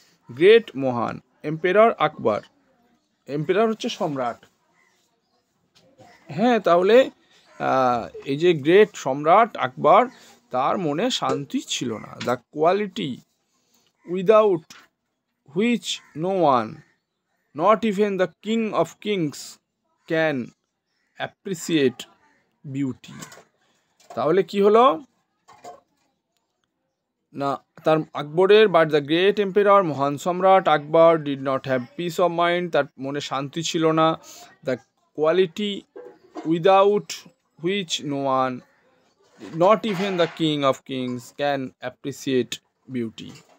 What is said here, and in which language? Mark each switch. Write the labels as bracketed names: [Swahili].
[Bangla] Great মহান emperor আকবর, emperor হচ্ছে সম্রাট, হ্যাঁ তাহলে এই যে গ্রেট সম্রাট আকবর তার মনে শান্তি ছিল না, [English] The quality without which no one Not even the king of kings can appreciate beauty. [Bangla] তাহলে কি হলো না, তার আকবরের, [English] but the great emperor, [Bangla] মহান সম্রাট আকবর [English] did not have peace of mind, [Bangla] তার মনে শান্তি ছিল না, [English] The quality without which no one, not even the king of kings can appreciate beauty.